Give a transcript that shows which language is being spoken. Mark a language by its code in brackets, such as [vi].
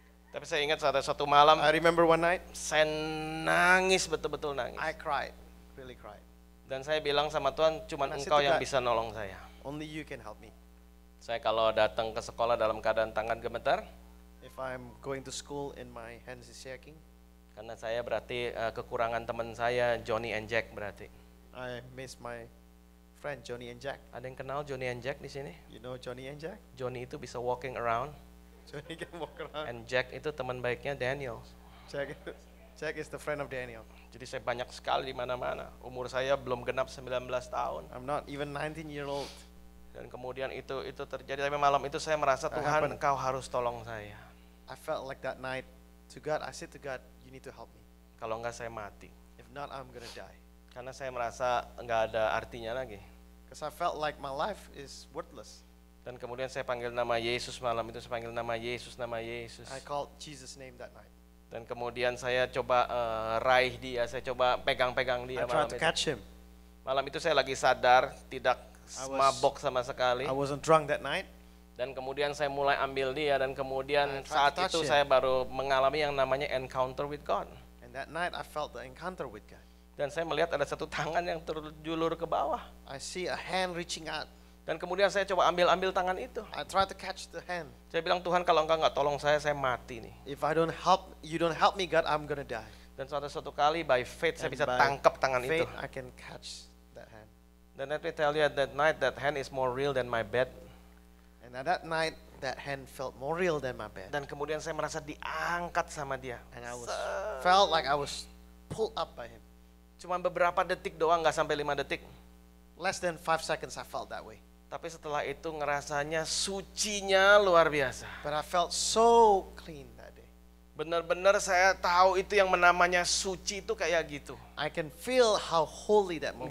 [id] Tapi saya ingat saat satu malam. [en] I remember one night. [id] Saya nangis betul-betul nangis. [en] I cried, really cried. [id] Dan saya bilang sama Tuhan, cuma Engkau yang bisa nolong saya. [en] Only You can help me. [id] Saya kalau datang ke sekolah dalam keadaan tangan gemetar. [en] If I'm going to school and my hands is shaking. [id] Karena saya berarti kekurangan teman saya Johnny and Jack berarti. [en] I miss my friend Johnny and Jack. [id] Ada yang kenal Johnny and Jack di sini? [en] You know Johnny and Jack? [id] Johnny itu bisa [en] walking around. Johnny can walk around. [id] And Jack itu teman baiknya Daniel. [en] Jack is the friend of Daniel. [id] Jadi saya banyak sekali di mana-mana. Umur saya belum genap 19 tahun. [en] I'm not even 19 year old. [id] Dan kemudian itu terjadi. Tapi malam itu saya merasa Tuhan, Engkau harus tolong saya. [en] I felt like that night to God. I said to God, "You need to help me." [id] Kalau enggak saya mati. [en] If not, I'm gonna die. [id] Karena saya merasa enggak ada artinya lagi. [en] Because I felt like my life is worthless. [id] Dan kemudian saya panggil nama Yesus malam itu. Saya panggil nama Yesus. [en] I called Jesus' name that night. [id] Dan kemudian saya coba raih dia. Saya coba pegang dia malam itu. [en] I tried to catch him. [id] Malam itu saya lagi sadar, tidak mabok sama sekali. [en] I wasn't drunk that night. [id] Dan kemudian saya mulai ambil dia dan kemudian saat itu saya baru mengalami yang namanya [en] encounter with God. And that night I felt the encounter with God. [id] Dan saya melihat ada satu tangan yang terjulur ke bawah. [en] I see a hand reaching out. [id] Dan kemudian saya coba ambil tangan itu. [en] I try to catch the hand. [id] Saya bilang, Tuhan, kalau Engkau enggak tolong saya mati nih. [en] If I don't help you don't help me God, I'm gonna die. [id] Dan suatu kali [en] by faith [id] saya bisa tangkap tangan [en] faith, [id] itu. [en] I can catch that hand. Then let me tell you that night that hand is more real than my bed. And at that night that hand felt more real than my bed. [id] Dan kemudian saya merasa diangkat sama dia. [en] And I felt like I was pulled up by him. [id] Cuma beberapa detik doang, enggak sampai 5 detik. [en] Less than 5 seconds I felt that way. [id] Tapi setelah itu ngerasanya sucinya luar biasa. [en] But I felt so clean that day. [id] Benar-benar saya tahu itu yang namanya suci itu kayak gitu. [en] I can feel how holy that moment.